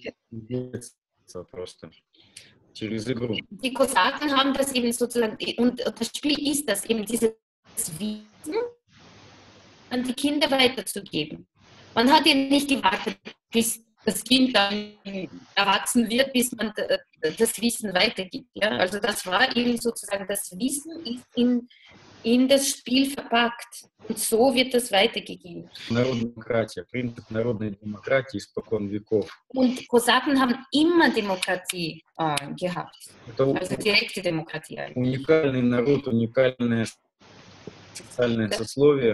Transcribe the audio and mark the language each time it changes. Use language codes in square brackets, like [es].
[de] Die Kosaken haben das eben sozusagen, und das Spiel ist das eben, dieses Wissen an die Kinder weiterzugeben. Man hat ja nicht gewartet, bis das Kind dann erwachsen wird, bis man das Wissen weitergibt. Ja? Also das war eben sozusagen, das Wissen ist in das Spiel verpackt. Und so wird das weitergegeben. [ru] Prinzip народной демократии испокон веков. [de] Und Kosaken haben immer Demokratie gehabt. Also direkte Demokratie eigentlich. [ru] Уникальный народ, уникальное социальное сословие.